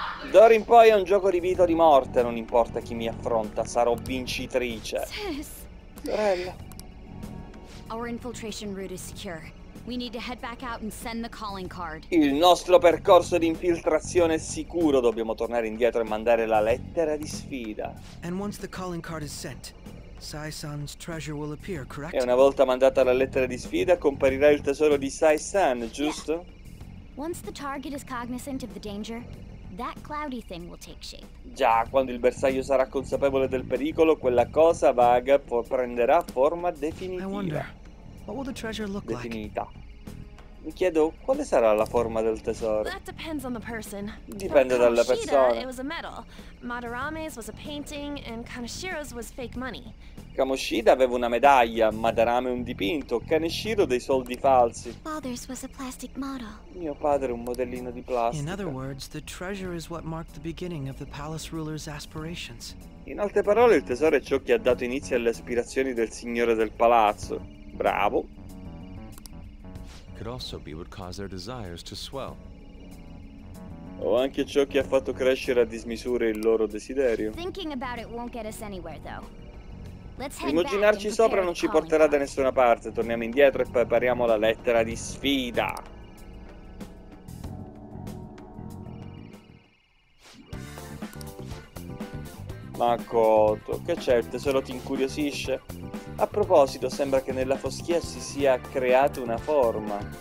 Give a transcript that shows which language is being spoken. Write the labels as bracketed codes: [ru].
[it] D'ora in poi è un gioco di vita o di morte, non importa chi mi affronta, sarò vincitrice. Sorella. [en] Our infiltration route is secure. We need to head back out and send the calling card. [it] Il nostro percorso di infiltrazione è sicuro. Dobbiamo tornare indietro e mandare la lettera di sfida. [en] And once the calling card is sent, Sai-san's treasure will appear, correct? [it] E una volta mandata la lettera di sfida, comparirà il tesoro di Sai-san, giusto? [en] Yeah. Once the target is cognizant of the danger, that cloudy thing will take shape. [it] Già, quando il bersaglio sarà consapevole del pericolo, quella cosa vaga prenderà forma definitiva. [en] I wonder. What will the treasure look like? [it] Definita. Mi chiedo quale sarà la forma del tesoro. [en] That depends on the person. [it] Dipende dalla persona. [en] It was a metal. Madarame's was a painting, and Kaneshiro's was fake money. [it] Kamoshida aveva una medaglia, Madarame un dipinto, Kaneshiro dei soldi falsi. [en] Father's was a plastic model. [it] Mio padre un modellino di plastica. [en] In other words, the treasure is what marked the beginning of the palace ruler's aspirations. [it] In altre parole, il tesoro è ciò che ha dato inizio alle aspirazioni del signore del palazzo. [en] Bravo. Could also be what caused their desires to swell. [it] O anche ciò che ha fatto crescere a dismisura il loro desiderio. [en] Thinking about it won't get us anywhere, though. [it] Immaginarci sopra non ci porterà da nessuna parte. Torniamo indietro e prepariamo la lettera di sfida. Makoto, che c'è? Il tesoro ti incuriosisce? A proposito, sembra che nella foschia si sia creata una forma.